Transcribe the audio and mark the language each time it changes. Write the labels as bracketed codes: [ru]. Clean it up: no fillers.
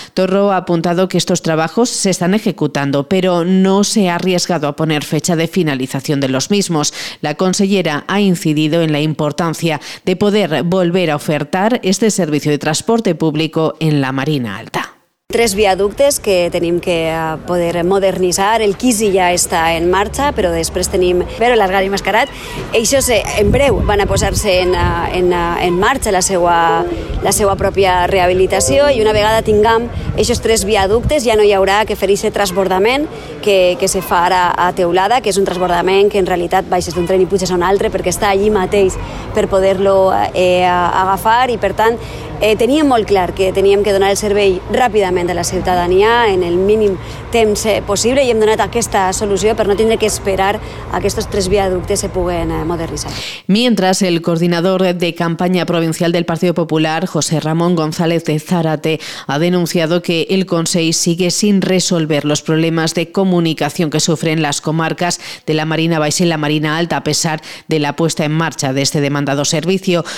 [es] Torro ha apuntado que estos trabajos se están ejecutando, pero no se ha arriesgado a poner fecha de finalización de los mismos. La consellera ha incidido en la importancia de poder volver a ofertar este servicio de transporte público en la Marina Alta. [ca] 3 viaductes que tenim que poder modernitzar. El Quisi ja està en marxa, però després tenim l'Algar i Mascarat. Això en breu van a posar-se en marxa la seva pròpia rehabilitació, i una vegada tinguem aquests 3 viaductes ja no hi haurà que fer aquest transbordament que se fa ara a Teulada, que és un transbordament que en realitat baixes d'un tren i puges a un altre perquè està allí mateix per poder-lo agafar, i per tant teníem molt clar que teníem que donar el servei ràpidament a la ciutadania en el mínim temps possible, i hem donat aquesta solució per no tindre que esperar a que aquests 3 viaductes se puguen modernitzar. [es] Mientras, el coordinador de campanya provincial del Partit Popular, José Ramón González de Zárate, ha denunciado que el Consell sigue sin resolver los problemas de comunicación que sufren las comarcas de la Marina Baixa y la Marina Alta, a pesar de la puesta en marcha de este demandado servicio.